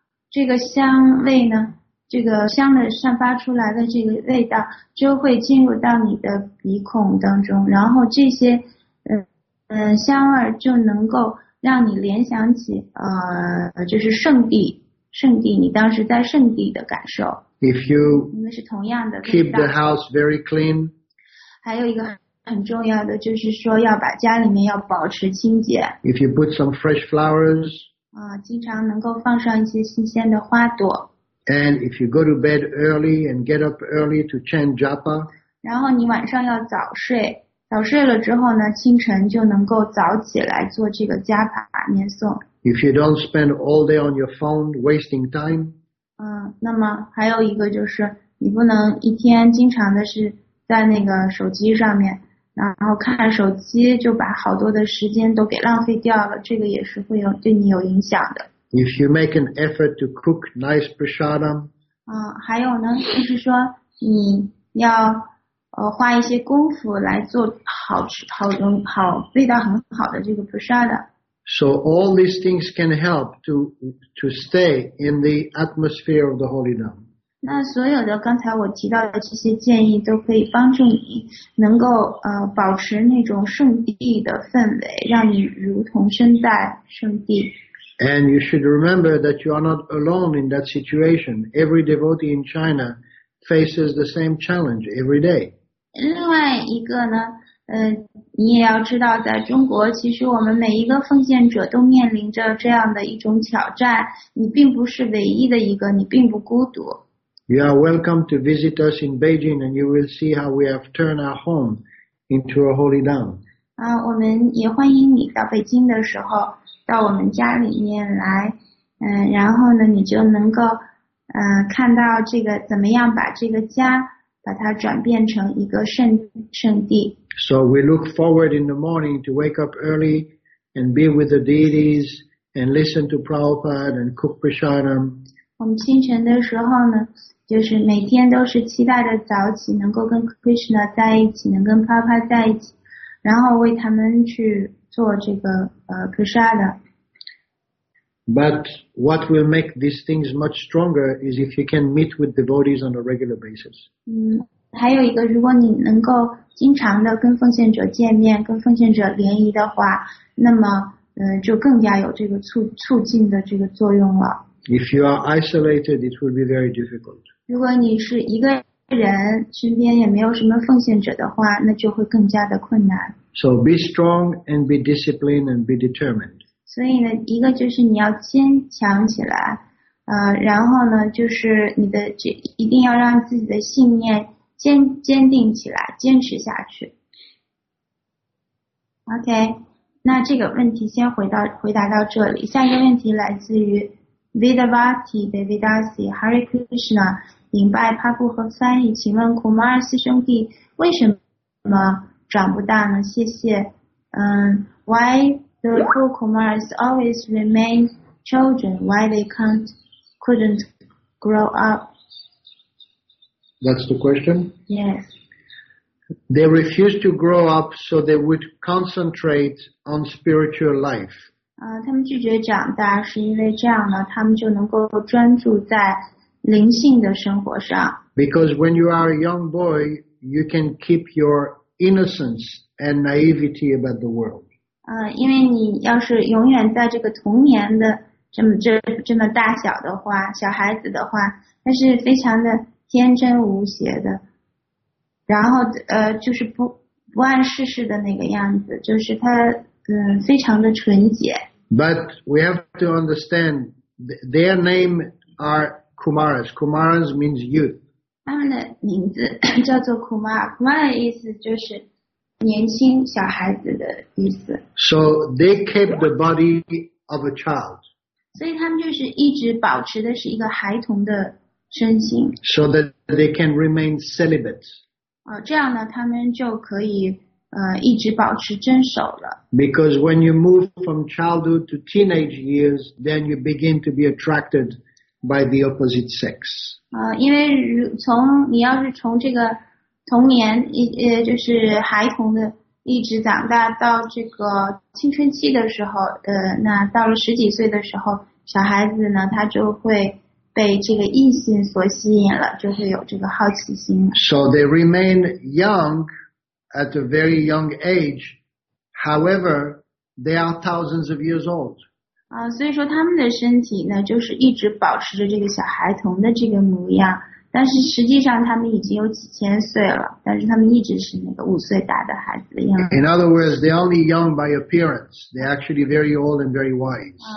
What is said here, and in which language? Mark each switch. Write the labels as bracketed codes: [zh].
[zh] 这个香味呢，这个香的散发出来的这个味道就会进入到你的鼻孔当中，然后这些香味就能够让你联想起就是圣地你当时在圣地的感受。 [en] If you [zh] 因为是同样的 [en] keep the house very clean, [zh] 还有一个很重要的就是说要把家里面要保持清洁。 [en] If you put some fresh flowers, [zh] 经常能够放上一些新鲜的花朵。 [en] And if you go to bed early and get up early to chant japa, [zh] 然后你晚上要早睡，早睡了之后呢，清晨就能够早起来做这个加法念诵。 [en] If you don't spend all day on your phone wasting time, [zh] 那么还有一个就是你不能一天经常的是在那个手机上面，然后看手机就把好多的时间都给浪费掉了，这个也是会有对你有影响的。 [en] If you make an effort to cook nice prasadam, [zh] 还有呢，就是说你要花一些功夫来做好吃、好味道很好的这个 prasadam。 [en] So all these things can help to stay in the atmosphere of the Holy Name. [zh] 那所有的刚才我提到的这些建议都可以帮助你能够保持那种圣地的氛围，让你如同身在圣地。 [en] And you should remember that you are not alone in that situation. Every devotee in China faces the same challenge every day. [zh] 另外一个呢，你也要知道，在中国，其实我们每一个奉献者都面临着这样的一种挑战。你并不是唯一的一个，你并不孤独。 [en] You are welcome to visit us in Beijing, and you will see how we have turned our home into a holy dam. [zh] 我们也欢迎你到北京的时候，到我们家里面来。然后呢，你就能够看到这个怎么样把这个家把它转变成一个圣地。 [en] So we look forward in the morning to wake up early and be with the deities and listen to Prabhupada and cook prasadam. [zh] 我们清晨的时候呢，就是每天都是期待着早起，能够跟 Krishna 在一起，能跟 Prabhupada 在一起，然后为他们去做这个prasadam. [en] But what will make these things much stronger is if you can meet with devotees on a regular basis. [zh] 还有一个，如果你能够经常的跟奉献者见面，跟奉献者联谊的话，那么就更加有这个促进的这个作用了。 [en] If you are isolated, it will be very difficult. [zh] 如果你是一个人，身边也没有什么奉献者的话，那就会更加的困难。 [en] So be strong and be disciplined and be determined. [zh] 所以呢，一个就是你要坚强起来，然后呢，就是你的这一定要让自己的信念坚定起来，坚持下去。 OK， 那这个问题先回答到这里。下一个问题来自于 Vidavati Devidasi Hare Krishna， 领拜帕布和翻译，请问库马尔斯兄弟为什么长不大呢？谢谢。 [en] Why the poor Kumars always remain children? Why they couldn't grow up? That's the question? Yes. They refused to grow up so they would concentrate on spiritual life. [zh] 他们拒绝长大是因为这样呢，他们就能够专注在灵性的生活上。 [en] Because when you are a young boy, you can keep your innocence and naivety about the world. [zh] 因为你要是永远在这个童年的这么大小的话，小孩子的话，他是非常的天真无邪的，然后就是不谙世事的那个样子，就是他非常的纯洁。 [en] But we have to understand their name are Kumaras. Kumaras means youth. [zh] 他们的名字叫做 Kumar. Kumar 的意思就是年轻小孩子的意思。 [en] So they kept the body of a child. [zh] 所以他们就是一直保持的是一个孩童的身心。 [en] So that they can remain celibate. [zh] 这样呢，他们就可以一直保持真守了。 [en] Because when you move from childhood to teenage years, then you begin to be attracted by the opposite sex. [zh] 因为你要是从这个童年就是孩童的一直长大到这个青春期的时候，那到了十几岁的时候，小孩子呢，他就会被这个异性所吸引了，就会有这个好奇心了。 [en] So they remain young at a very young age. However, they are thousands of years old. [zh] 所以说他们的身体呢，就是一直保持着这个小孩童的这个模样，但是实际上他们已经有几千岁了，但是他们一直是那个五岁大的孩子的样子。 [en] In other words, they're only young by appearance. They're actually very old and very wise.